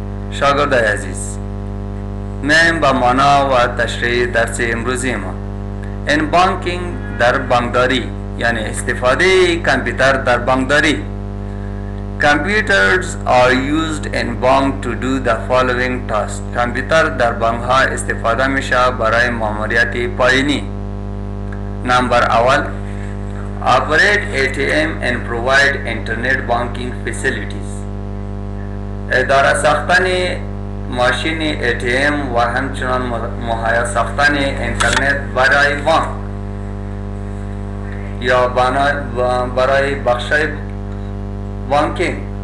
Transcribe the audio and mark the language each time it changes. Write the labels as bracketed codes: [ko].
[fa] شاگردای عزیز، من با معنا و تشریح درس امروزی ما، این بانکینگ در بانکداری یعنی استفاده کامپیوتر در بانکداری. [en] Computers are used in bank to do the following tasks. [fa] Computer در بانک ها استفاده میشه برای ماموریت پایینی. [en] Number 1, operate ATM and provide internet banking facilities. [fa] اداره ساختن ماشین ATM و همچنان مهیا ساختن اینترنت برای بانک یا برای بخش banking.